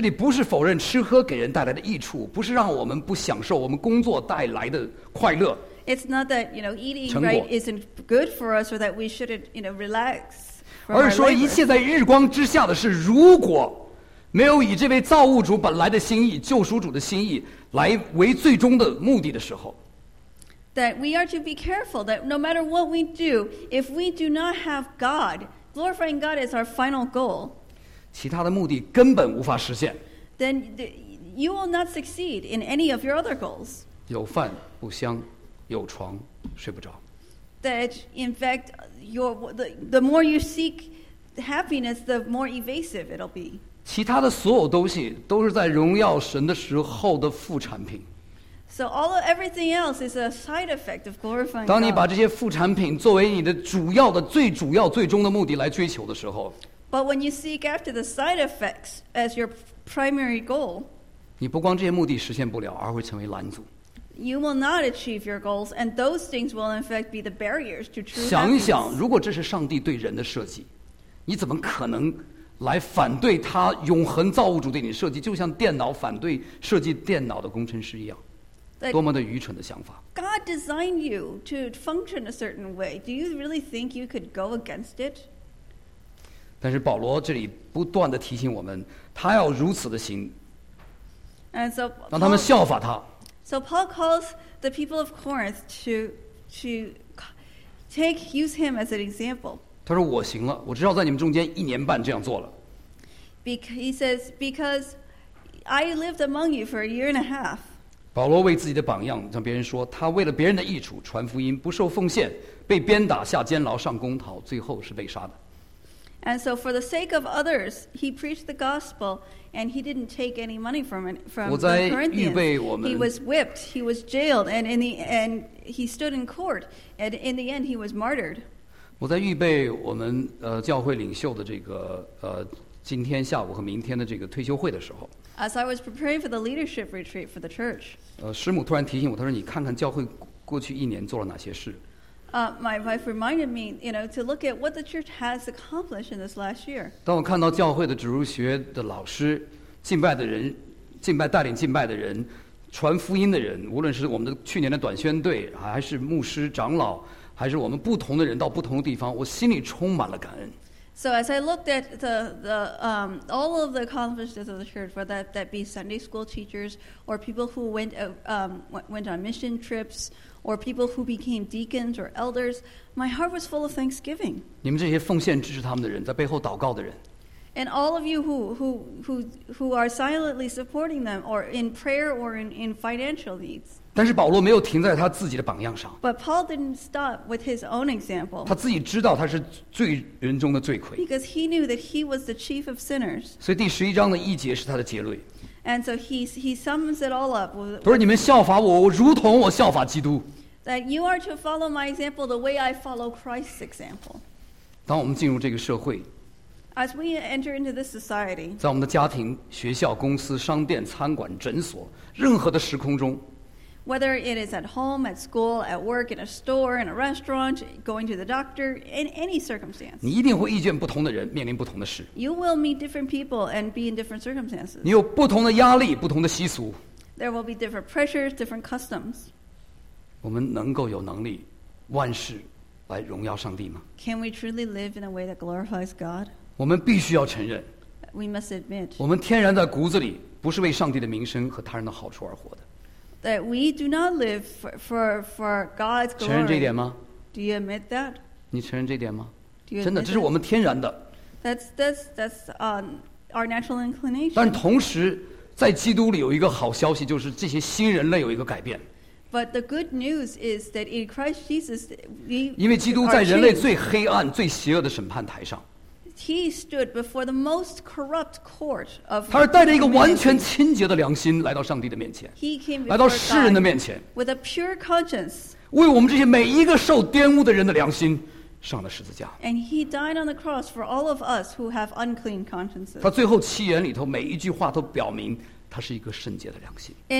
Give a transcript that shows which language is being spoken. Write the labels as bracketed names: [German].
[Chinese] 这里不是否认吃喝给人带来的益处，不是让我们不享受我们工作带来的快乐。 [English] It's not that, you know, eating right isn't good for us or that we shouldn't, you know, relax. [Chinese] 而说一切在日光之下的是，如果没有以这位造物主本来的心意、救赎主的心意来为最终的目的的时候， [English] that we are to be careful that no matter what we do, if we do not have God, glorifying God is our final goal. [Chinese] 其他的目的根本无法实现。 [English] Then you will not succeed in any of your other goals. [Chinese] 有饭不香，有床睡不着。 [English] That in fact, the more you seek happiness, the more evasive it'll be. [Chinese] 其他的所有东西都是在荣耀神的时候的副产品。 [English] So all of everything else is a side effect of glorifying God. [Chinese] 当你把这些副产品作为你的主要的、最主要、最终的目的来追求的时候， [English] But when you seek after the side effects as your primary goal, [Chinese] 你不光这些目的实现不了，而会成为拦阻。 [English] You will not achieve your goals, and those things will in fact be the barriers to true happiness. [Chinese] 想一想，如果这是上帝对人的设计，你怎么可能来反对他永恒造物主对你设计？就像电脑反对设计电脑的工程师一样，多么的愚蠢的想法！ [English] God designed you to function a certain way. Do you really think you could go against it? [Chinese] 但是保罗这里不断地提醒我们，他要如此的行，让他们效法他。 [English] So Paul calls the people of Corinth to use him as an example. [Chinese] 他说我行了，我至少在你们中间一年半这样做了。 [English] He says, because I lived among you for a year and a half. [Chinese] 保罗为自己的榜样向别人说，他为了别人的益处传福音，不受奉献，被鞭打，下监牢，上公堂，最后是被杀的。 [English] And so for the sake of others, he preached the gospel, and he didn't take any money from the Corinthians. He was whipped, he was jailed, and he stood in court, and in the end he was martyred. [Chinese] 我在预备我们教会领袖的这个今天下午和明天的这个退休会的时候， [English] As I was preparing for the leadership retreat for the church, [Chinese] 师母突然提醒我，她说你看看教会过去一年做了哪些事。 [English] My wife reminded me, you know, to look at what the church has accomplished in this last year. [Chinese] 当我看到教会的主日学的老师、敬拜的人、敬拜带领敬拜的人、传福音的人，无论是我们的去年的短宣队，还是牧师、长老，还是我们不同的人到不同的地方，我心里充满了感恩。 [English] So as I looked at all of the conferences of the church, whether that be Sunday school teachers or people who went on mission trips or people who became deacons or elders, my heart was full of thanksgiving. [Chinese] 你们这些奉献支持他们的人，在背后祷告的人。 [English] And all of you who are silently supporting them or in prayer or in financial needs. [Chinese] 但是保罗没有停在他自己的榜样上。 [English] But Paul didn't stop with his own example. [Chinese] 他自己知道他是罪人中的罪魁。 [English] Because he knew that he was the chief of sinners. [Chinese] 所以第十一章的一节是他的结论。 [English] And so he sums it all up. [Chinese] 不是你们效法我，我如同我效法基督。 [English] That you are to follow my example the way I follow Christ's example. [Chinese] 当我们进入这个社会。 [English] As we enter into this society, [Chinese] 在我们的家庭、学校、公司、商店、餐馆、诊所，任何的时空中 [English] ，whether it is at home, at school, at work, in a store, in a restaurant, going to the doctor, in any circumstance, [Chinese] 你一定会遇见不同的人，面临不同的事。 [English] You will meet different people and be in different circumstances. [Chinese] 你有不同的压力，不同的习俗。 [English] There will be different pressures, different customs. [Chinese] 我们能够有能力，万事来荣耀上帝吗 [English] ？Can we truly live in a way that glorifies God? [Chinese] 我们必须要承认 [English] ，We must admit， [Chinese] 我们天然在骨子里不是为上帝的名声和他人的好处而活的。 [English] That we do not live for God's glory。 [Chinese] 承认这一点吗 [English] ？Do you admit that？ [Chinese] 你承认这一点吗？真的，这是我们天然的。 [English] That's our natural inclination。 [Chinese] 但同时，在基督里有一个好消息，就是这些新人类有一个改变。 [English] But the good news is that in Christ Jesus, we [Chinese] 因为基督在人类最黑暗、最邪恶的审判台上。 [English] He stood before the most corrupt court of. [Chinese] 他是带着一个完全清洁的良心来到上帝的面前。 [English] He came before [Chinese] 来到世人的面前。 [English] With a pure conscience. [Chinese] 为我们这些每一个受玷污的人的良心，上了十字架。 [English] And he died on the cross for all of us who have unclean consciences. [Chinese] 他最后七言里头每一句话都表明他是一个圣洁的良心。